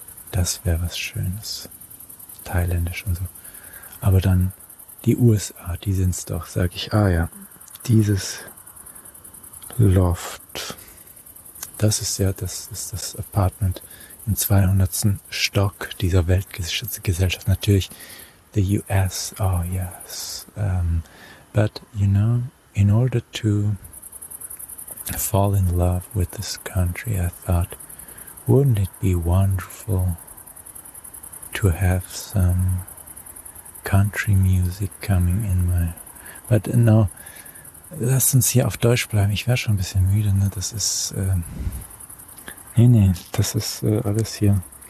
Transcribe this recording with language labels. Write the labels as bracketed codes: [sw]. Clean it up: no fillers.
[de] Das wäre was Schönes. Thailändisch und so. Aber dann die USA, die sind's doch, sag ich. Ah ja, dieses Loft. Das ist ja, das ist das Apartment im 200. Stock dieser Weltgesellschaft. Natürlich [en] the US, oh yes. But you know, in order to fall in love with this country, I thought, wouldn't it be wonderful to have some country music coming in my... But no, [de] lass uns hier auf Deutsch bleiben. Ich wäre schon ein bisschen müde, ne? Das ist... das ist alles hier.